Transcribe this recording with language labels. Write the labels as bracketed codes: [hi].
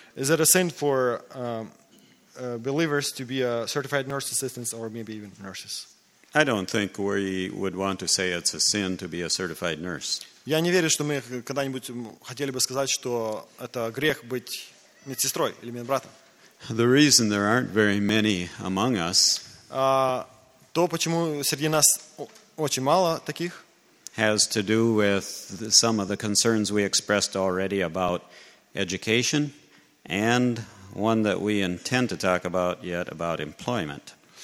[en] Is it a sin for believers to be a certified nurse assistants or maybe even nurses? I don't think we would want to say it's a sin to be a certified nurse. [ru] Я не верю, что мы когда-нибудь хотели бы сказать, что это грех быть медсестрой или медбратом. [en] The reason there aren't very many among us [ru] то, почему среди нас очень мало таких, [en] has to do with some of the concerns we expressed already about education and one that we intend to talk about yet about employment.